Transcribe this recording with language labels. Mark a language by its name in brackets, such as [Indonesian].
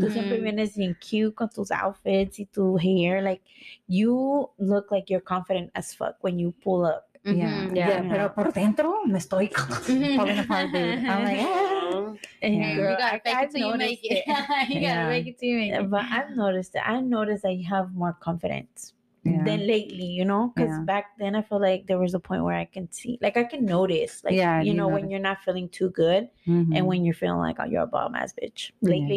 [Spanish] tú siempre vienes bien cute con tus outfits y tu hair. [English] Like, you look like you're confident as fuck when you pull up. Mm-hmm. Yeah. Yeah. Yeah. [Spanish] Pero por dentro me estoy [English] falling apart, dude. I'm like, yeah. I've noticed that you have more confidence than lately, you know, because back then I feel like there was a point where I can see, like, I can notice, like, you know, when you're not feeling too good and when you're feeling like, oh, you're a bomb ass bitch lately.